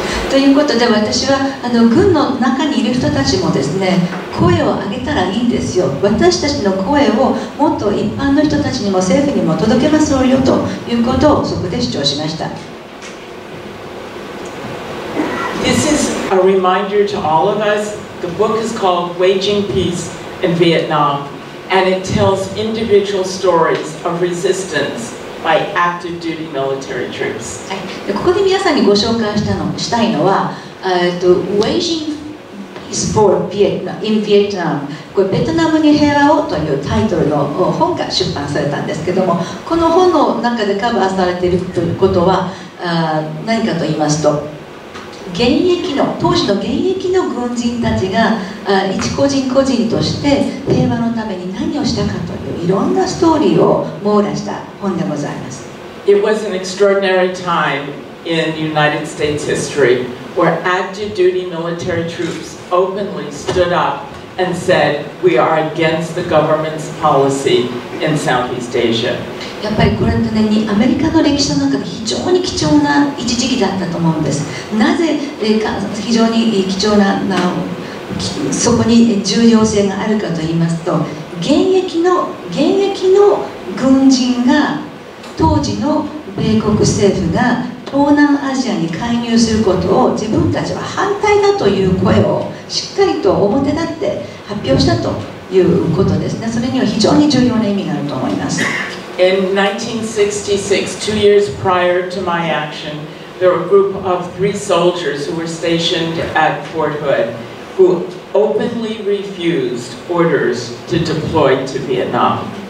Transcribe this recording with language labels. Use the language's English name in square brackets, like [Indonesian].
[Japanese] ということで私は軍の中にいる人たちもですね声を上げたらいいんですよ。私たちの声をもっと一般の人たちにも政府にも届けますよということをそこで主張しました。 [English] This is a reminder to all of us. The book is called Waging Peace in Vietnam, and it tells individual stories of resistance. By active duty military troops. [Japanese] はい、ここで皆さんにご紹介したいのは、Waging Peace for Vietnam, in Vietnam これ、ベトナムに平和をというタイトルの本が出版されたんですけども、この本の中でカバーされているということは、何かと言いますと、当時の現役の軍人たちが一個人個人として平和のために何をしたかといういろんなストーリーを網羅した本でございます。 [English] It was an extraordinary time in United States history where active duty military troops openly stood up and said we are against the government's policy in Southeast Asia. [Japanese] やっぱりこれってねアメリカの歴史の中で非常に貴重な一時期だったと思うんです。なぜ非常に貴重なそこに重要性があるかと言いますと現役の軍人が当時の米国政府が東南アジアに介入することを自分たちは反対だという声をしっかりと表立って発表したということですね。それには非常に重要な意味があると思います。 [English] In 1966, 2 years prior to my action, there were a group of 3 soldiers who were stationed at Fort Hood who openly refused orders to deploy to Vietnam.